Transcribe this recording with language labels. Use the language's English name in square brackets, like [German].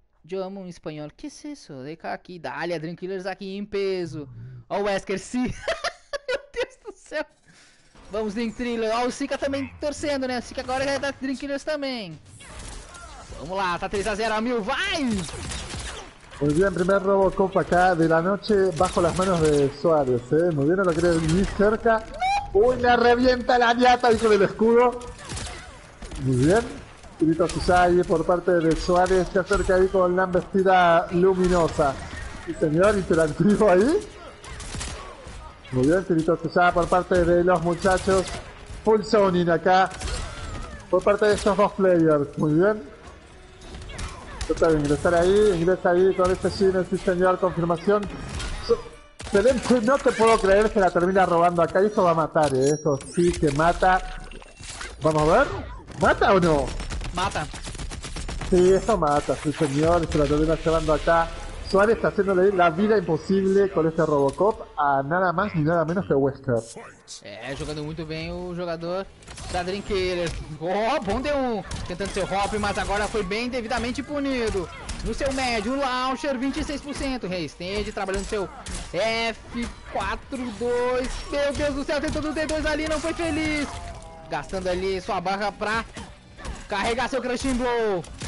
[Portuguese] Eu amo um espanhol. Que é isso? Vem cá aqui. Dália, Dream Killers aqui em peso. Ó, o Wesker, sim. Meu Deus do céu. Vamos, Link Thriller. Ó, o Sika também torcendo, né? O Sika agora é da Dream Killers também. Vamos lá, tá 3-0, Amil, vai! [Spanish] Muy bien, primer Robocop acá de la noche bajo las manos de Suárez, ¿eh? Muy bien, no lo quería ni cerca. ¡Uy, le revienta la ñata ahí con el escudo! Muy bien. Grito Susai por parte de Suárez, se acerca ahí con la embestida luminosa. Sí, señor, interactivo ahí. Muy bien, Grito Susai por parte de los muchachos. Full zoning acá por parte de estos dos players. Muy bien. Trata de ingresar ahí, ingresa ahí con este cine, sí señor, confirmación. Excelente, no te puedo creer que la termina robando acá, y eso va a matar, ¿eh? Eso sí que mata. Vamos a ver, ¿mata o no? Mata. Sí, eso mata, sí señor, se la termina llevando acá. Suárez está haciéndole la vida imposible con este Robocop a nada más ni nada menos que Wesker. [Portuguese] Jogando muito bem o jogador da Dream Killer. Oh, bom de um. Tentando seu hop, mas agora foi bem devidamente punido. No seu médio, o Launcher, 26%. Restende, trabalhando seu F4-2. Meu Deus do céu, tentando o D2 ali, não foi feliz. Gastando ali sua barra pra carregar seu Crushing Blow.